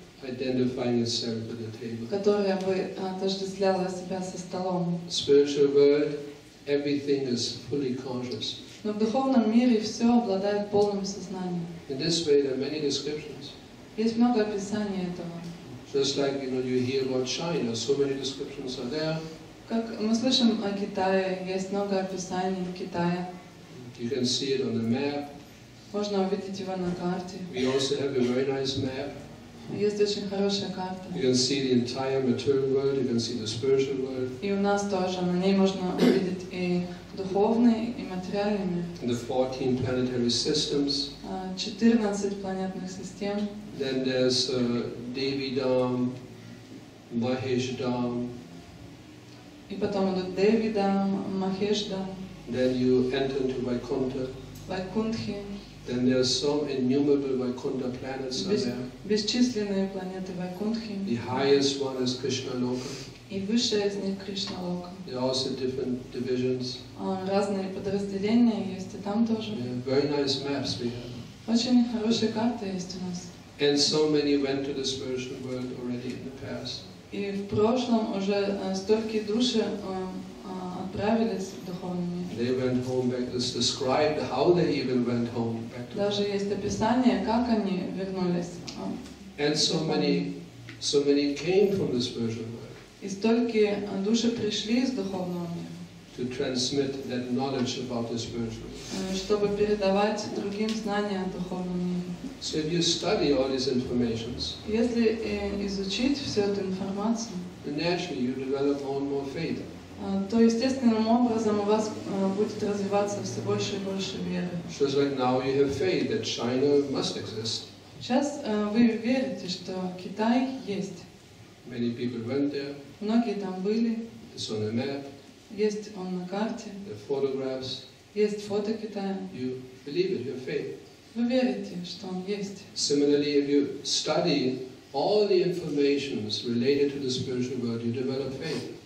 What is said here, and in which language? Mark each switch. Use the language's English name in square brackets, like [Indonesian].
[English] identifying itself with the table. [Russian] Которая бы отождествляла себя со столом. [English] Spiritual world, everything is fully conscious. [Russian] Но в духовном мире все обладает полным сознанием. [English] In this way, there are many descriptions. [Russian] Есть много описаний этого. [English] Just like, you know, you hear about China, so many descriptions are there. [Russian] Как мы слышим о Китае, есть много описаний в Китае. [English] You can see it on the map. [Russian] Можно увидеть его на карте. [English] We also have a very nice map. [Russian] Есть очень хорошая карта. [English] You can see the entire material world. You can see the spiritual world. [Russian] И у нас тоже на ней можно увидеть и духовный, и материальный мир. [English] The 14 planetary systems. [Russian] 14 планетных систем. [English] Then there's Devi Dham, Mahesh Dham. [Russian] И потом идут Devi Dham, Mahesh Dham. [English] Then you enter into Vaikuntha. [Russian] Vaikunthi. [English] Then there are some innumerable Vaikuntha planets are there. [Russian] Бесчисленные планеты Вайкунтхи. [English] The highest one is Krishna Loka. [Russian] И высшая из них Кришна Лока. [English] There are also different divisions. [Russian] Разные подразделения есть и там тоже. [English] Very nice maps we have. [Russian] Очень хорошие карты есть у нас. [English] And so many went to the spiritual world already in the past. [Russian] И в прошлом уже столько души отправились в духовный мир. [English] They went home back. It's described how they even went home back. [Russian] Даже есть описание, как они вернулись. [English] And so many came from the spiritual world. [Russian] И столько души пришли из духовного мира. [English] To transmit that knowledge about the spiritual world. [Russian] Чтобы передавать другим знания о духовном мире. [English] So if you study all these informations, [Russian] если изучить всю эту информацию, [English] naturally you develop more and more faith. [Russian] То естественным образом у вас будет развиваться все больше и больше веры. [English] Just like now you have faith that China must exist. [Russian] Сейчас вы верите, что Китай есть. [English] Many people went there. [Russian] Многие там были. [English] It's on the map. [Russian] Есть он на карте. [English] The photographs. [Russian] Есть фото Китая. [English] You believe it. You have faith. [Russian] Вы верите, что он есть. [English] Similarly, if you study all the informations related to the spiritual world, you develop faith.